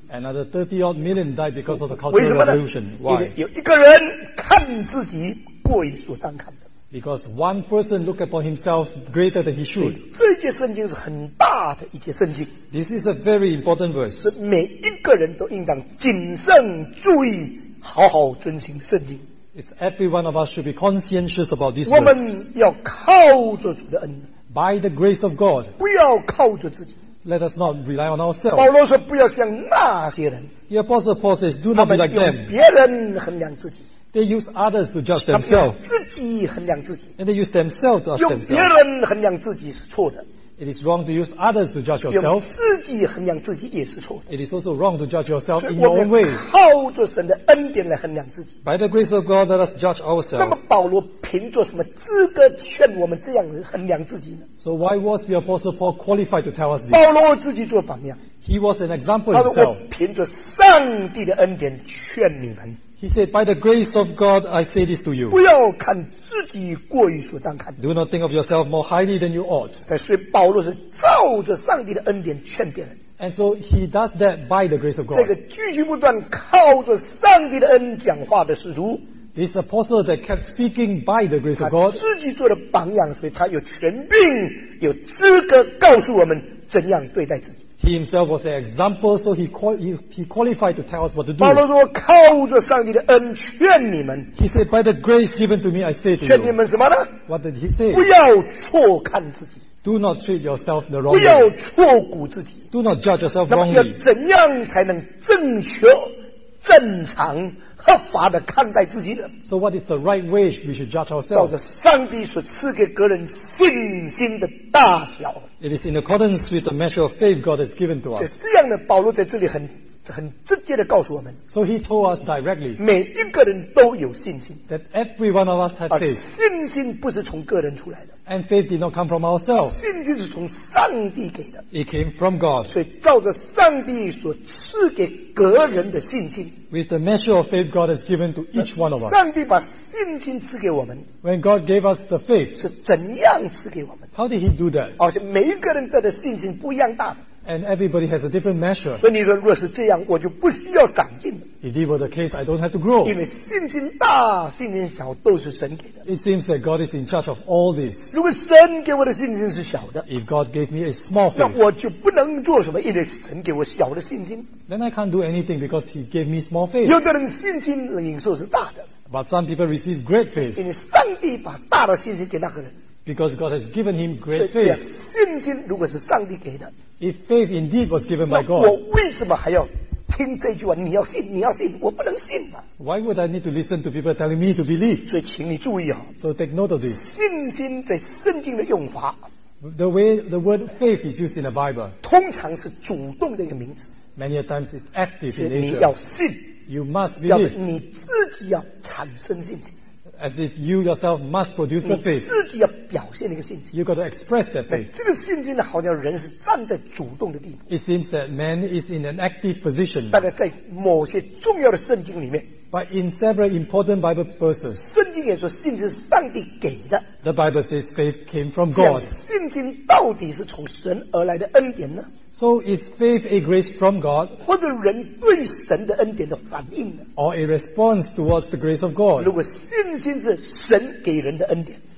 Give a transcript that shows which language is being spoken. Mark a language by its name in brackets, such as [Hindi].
[English] another 30 odd million died because of the Cultural Revolution. Why? [Chinese] 有一个人看自己过于所当看的。 [English] Because one person looked upon himself greater than he should. [Chinese] 这节圣经是很大的一节圣经。 [English] This is a very important verse. [Chinese] 是每一个人都应当谨慎注意，好好遵行圣经。 [English] It's every one of us should be conscientious about this. [Chinese] 我们要靠着主的恩。 [English] By the grace of God, [Chinese] 不要靠着自己。 [English] Let us not rely on ourselves. [Chinese] 保罗说不要像那些人。 [English] The apostle Paul says, "Do not be like them." [Chinese] 他们用别人衡量自己。 [English] They use others to judge themselves. [Chinese] 他们用自己衡量自己。 [English] And they use themselves to judge themselves. [Chinese] 用别人衡量自己是错的。 [English] It is wrong to use others to judge yourself. [Chinese] 用自己衡量自己也是错的。 [English] It is also wrong to judge yourself in your own way. [Chinese] 所以我们靠着神的恩典来衡量自己。 [English] By the grace of God, let us judge ourselves. [Chinese] 那么保罗凭着什么资格劝我们这样衡量自己呢？ [English] So why was the apostle Paul qualified to tell us this? [Chinese] 保罗自己做榜样。 [English] He was an example himself. [Chinese] 他说我凭着上帝的恩典劝你们。 [English] He said, "By the grace of God, I say this to you." [Chinese] 不要看自己过于所当看。 [English] Do not think of yourself more highly than you ought. [Chinese] 但是保罗是照着上帝的恩典劝别人。 [English] And so he does that by the grace of God. [Chinese] 这个句句不断靠着上帝的恩讲话的使徒。 [English] This apostle that kept speaking by the grace of God. [Chinese] 他自己做了榜样，所以他有权柄、有资格告诉我们怎样对待自己。 [English] He himself was an example, so he qualified to tell us what to do. [Chinese] 保罗说：“靠着上帝的恩劝你们。” [English] He said, "By the grace given to me, I say to you." [Chinese] 劝你们什么呢？ [English] What did he say? [Chinese] 不要错看自己。 [English] Do not treat yourself the wrong way. [Chinese] 不要错估自己。 [English] Do not judge yourself wrongly. [Chinese] 那么要怎样才能正确、正常、合法的看待自己呢？ [English] So what is the right way we should judge ourselves? [Chinese] 照着上帝所赐给个人信心的大小。 [English] It is in accordance with the measure of faith God has given to us. [Chinese] 这样的保罗在这里很直接的告诉我们。 [English] So he told us directly. [Chinese] 每一个人都有信心。 [English] That every one of us has faith. [Chinese] 信心不是从个人出来的。 [English] And faith did not come from ourselves. [Chinese] 信心是从上帝给的。 [English] It came from God. [Chinese] 所以照着上帝所赐给个人的信心。 [English] With the measure of faith God has given to each one of us. [Chinese] 上帝把信心赐给我们。 [English] When God gave us the faith. [Chinese] 是怎样赐给我们？ [English] How did he do that? [Chinese] 而且每一个人得的信心不一样大的。 [English] And everybody has a different measure. [Chinese] 所以你说若是这样，我就不需要长进了。 [English] If this were the case, I don't have to grow. [Chinese] 因为信心大，信心小都是神给的。 [English] It seems that God is in charge of all this. [Chinese] 如果神给我的信心是小的 [English] ，If God gave me a small faith, [Chinese] 那我就不能做什么，因为神给我小的信心。 [English] Then I can't do anything because He gave me small faith. [Chinese] 有的人信心领受是大的 [English] ，But some people receive great faith. [Chinese] 因为上帝把大的信心给那个人。 [English] Because God has given him great faith. [Chinese] 信心如果是上帝给的。 [English] If faith indeed was given by God, [Chinese] 我为什么还要听这句话？你要信，你要信，我不能信嘛。 [English] Why would I need to listen to people telling me to believe? [Chinese] 所以请你注意哦。 [English] So take note of this. [Chinese] 信心在圣经的用法。 [English] The way the word faith is used in the Bible, [Chinese] 通常是主动的一个名词。 [English] Many times it's active in nature. [Chinese] 你要信。 [English] You must believe. [Chinese] 要你自己要产生信心。 [English] As if you yourself must produce the faith. [Chinese] 你自己要表现那个信心。 [English] You got to express that faith. [Chinese] 这个信心呢，好像人是站在主动的地方。 [English] It seems that man is in an active position. [Chinese] 大概在某些重要的圣经里面。 [English] But in several important Bible verses, [Chinese] 圣经也说信心是上帝给的。 [English] The Bible says faith came from God. [Chinese] 信心到底是从神而来的恩典呢？ [English] So is faith a grace from God? [Chinese] 或者人对神的恩典的反应呢？ [English] Or a response towards the grace of God? [Chinese] 如果信心是神给人的恩典，